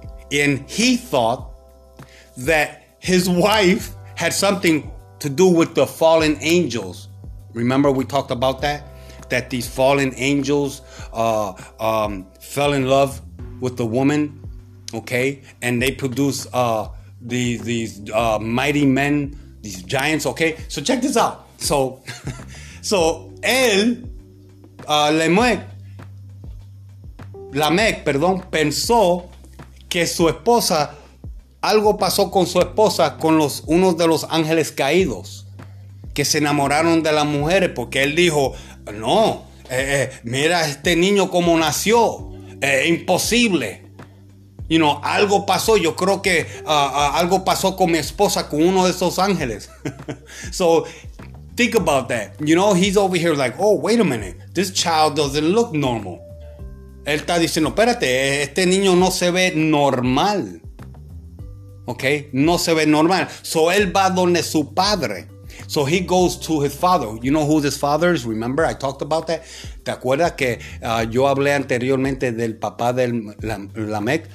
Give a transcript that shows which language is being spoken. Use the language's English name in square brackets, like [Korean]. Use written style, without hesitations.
[English] And he thought that his wife had something to do with the fallen angels. Remember we talked about that? That these fallen angels fell in love with the woman. Okay? And they produce these mighty men, these giants. Okay? So check this out. [Spanish] So él, Lemuel, Lamech, perdón, pensó que su esposa, algo pasó con su esposa, con uno de los ángeles caídos, que se enamoraron de las mujeres, porque él dijo, no, mira este niño cómo nació, imposible. You know, algo pasó, yo creo que algo pasó con mi esposa, con uno de esos ángeles. [English] So, think about that. You know, he's over here like, oh, wait a minute, this child doesn't look normal. [Spanish] Él está diciendo, espérate, este niño no se ve normal. Ok, no se ve normal. So él va donde su padre. [English] So he goes to his father. You know who his father is? Remember, I talked about that. [Spanish] ¿Te acuerdas que yo hablé anteriormente del papá de Lamech?